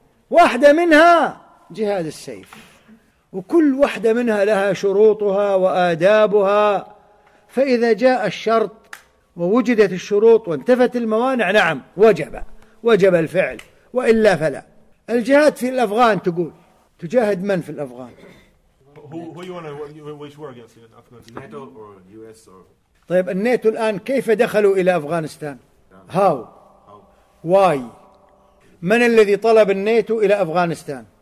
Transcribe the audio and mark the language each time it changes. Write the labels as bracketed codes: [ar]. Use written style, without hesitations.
[ar] واحدة منها جهاد السيف، وكل واحدة منها لها شروطها وآدابها. فإذا جاء الشرط ووجدت الشروط وانتفت الموانع، نعم وجب الفعل، وإلا فلا. الجهاد في الأفغان، تقول تجاهد من في الأفغان؟ [en] Who you want to wage war against in Afghanistan? NATO or US or? [ar] طيب الناتو الآن كيف دخلوا إلى أفغانستان؟ [en] How? Why? [ar] من الذي طلب الناتو إلى أفغانستان؟